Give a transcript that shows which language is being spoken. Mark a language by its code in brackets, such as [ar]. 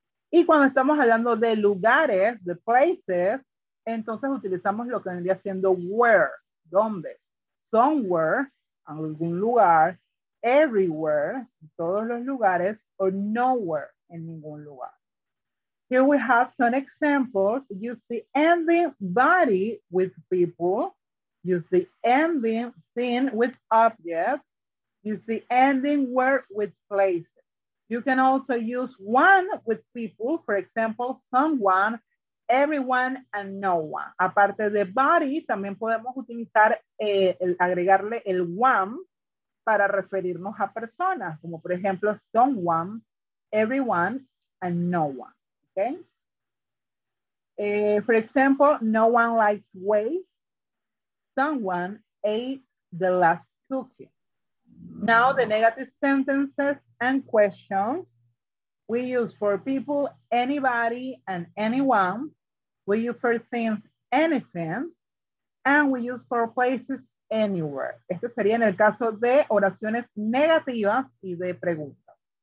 [es] Y cuando estamos hablando de lugares, de places, entonces utilizamos lo que vendría siendo where, donde, somewhere, algún lugar, everywhere, todos los lugares, [en] or nowhere, [es] en ningún lugar. [en] Here we have some examples. Use the ending body with people. Use the ending thing with objects. Use the ending word with places. You can also use one with people, for example, someone, everyone, and no one. [es] Aparte de body, también podemos utilizar, agregarle el one para referirnos a personas, como por ejemplo, [en] someone, everyone, and no one, [es] okay? [en] For example, no one likes waste. Someone ate the last cookie. Now the negative sentences and questions. We use for people, anybody, and anyone. We use for things, anything. And we use for places, anywhere. [es] Este sería en el caso de oraciones negativas y de preguntas.